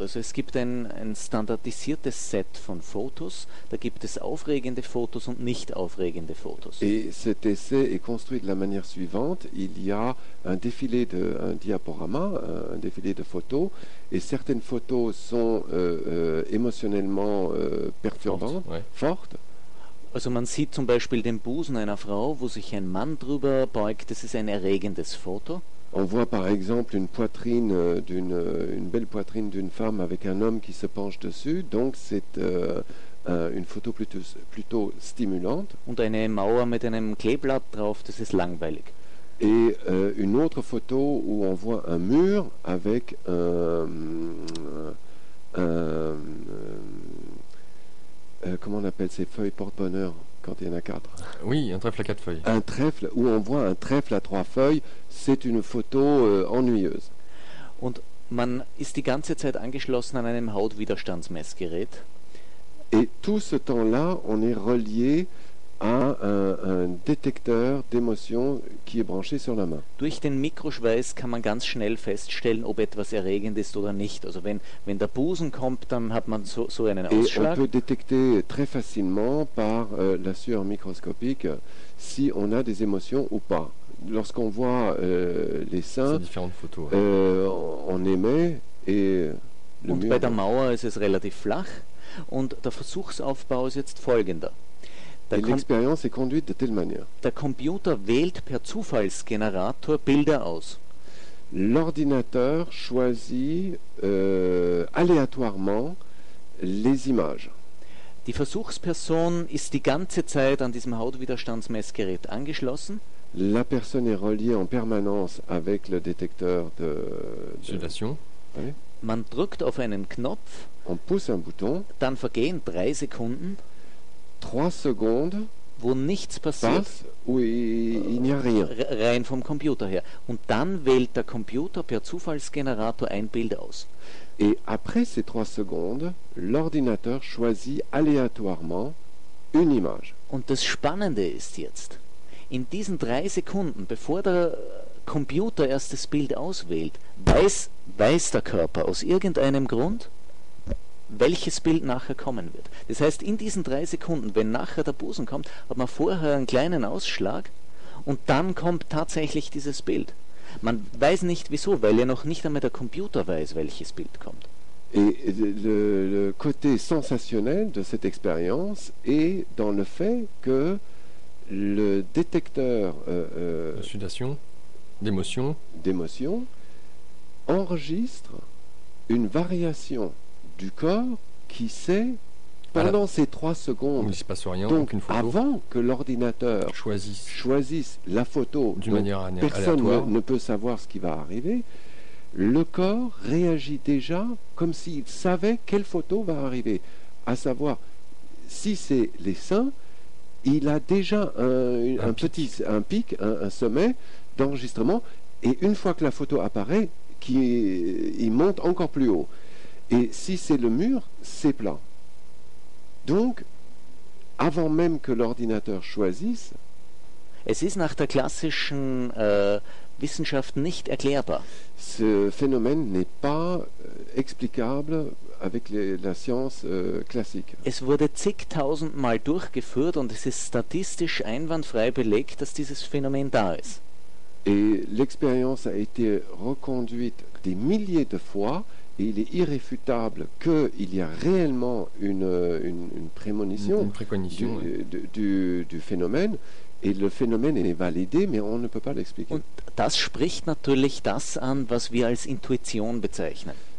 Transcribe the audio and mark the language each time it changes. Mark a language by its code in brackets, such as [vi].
[de] Also es gibt ein standardisiertes Set von Fotos. Da gibt es aufregende Fotos und nicht aufregende Fotos. [fr] Et cet essai est construit de la manière suivante. Il y a un défilé un diaporama, un défilé de photos, et certaines photos sont émotionnellement perturbantes, Fort, ouais. fortes. [de] Also man sieht zum Beispiel den Busen einer Frau, wo sich ein Mann drüber beugt. Das ist ein erregendes Foto. [fr] On voit par exemple une poitrine une belle poitrine d'une femme avec un homme qui se penche dessus, donc c'est une photo plutôt stimulante. [de] Und eine Mauer mit einem Kleeblatt drauf, das ist langweilig. [fr] Et une autre photo où on voit un mur avec comment on appelle ces feuilles porte-bonheur quand il y en a quatre? Oui, un trèfle à quatre feuilles. Un trèfle où on voit un trèfle à trois feuilles, c'est une photo ennuyeuse. [de] Und man ist die ganze Zeit angeschlossen an einem Hautwiderstandsmessgerät. [fr] Et tout ce temps-là, on est relié à un détecteur d'émotions qui est branché sur la main. [de] Durch den Mikroschweiß kann man ganz schnell feststellen, ob etwas erregend ist oder nicht. Also wenn der Busen kommt, dann hat man so einen [fr] Et on [de] Ausschlag. [fr] peut détecter très facilement par la sueur microscopique si on a des émotions ou pas. Lorsqu'on voit les seins, différentes photos. On émet et le [de] Und [fr] mur. [de] Bei der Mauer ist es relativ flach. Und der Versuchsaufbau ist jetzt folgender. [fr] Et l'expérience est conduite de telle manière. [de] Der Computer wählt per Zufallsgenerator Bilder aus. [fr] L'ordinateur choisit aléatoirement les images. [de] Die Versuchsperson ist die ganze Zeit an diesem Hautwiderstandsmessgerät angeschlossen. [fr] La personne est reliée en permanence avec le détecteur Sudation. Oui. [de] Man drückt auf einen Knopf. [fr] On pousse un bouton. [de] Dann vergehen 3 Sekunden. [fr] 3 secondes, [de] wo nichts passiert, [fr] il n'y a rien. [de] Rein vom Computer her. Und dann wählt der Computer per Zufallsgenerator ein Bild aus. [fr] Et après ces 3 secondes, l'ordinateur choisit aléatoirement une image. [de] Und das Spannende ist jetzt, in diesen 3 Sekunden, bevor der Computer erst das Bild auswählt, weiß der Körper aus irgendeinem Grund, welches Bild nachher kommen wird. Das heißt, in diesen 3 Sekunden, wenn nachher der Busen kommt, hat man vorher einen kleinen Ausschlag und dann kommt tatsächlich dieses Bild. Man weiß nicht wieso, weil ja noch nicht einmal der Computer weiß, welches Bild kommt. [fr] Et le côté sensationnel de cette expérience est dans le fait que le détecteur de sudation, d'émotion, enregistre une variation du corps qui sait pendant ces 3 secondes, il ne se passe rien, donc aucune photo, avant que l'ordinateur choisisse la photo d'une manière aléatoire, personne ne peut savoir ce qui va arriver. Le corps réagit déjà comme s'il savait quelle photo va arriver. À savoir, si c'est les seins, il a déjà un sommet d'enregistrement. Et une fois que la photo apparaît, il monte encore plus haut. Et si c'est le mur, c'est plat. Donc, avant même que l'ordinateur choisisse... [de] Es ist nach der klassischen Wissenschaft nicht erklärbar. [fr] Ce phénomène n'est pas explicable avec la science classique. [de] Es wurde zigtausendmal durchgeführt und es ist statistisch einwandfrei belegt, dass dieses Phänomen da ist. [fr] Et l'expérience a été reconduite des milliers de fois et il est irréfutable qu'il y a réellement une prémonition, une préconition, du phénomène. Et le phénomène est validé, mais on ne peut pas l'expliquer. [de] Und das spricht natürlich das an, was wir als Intuition bezeichnen.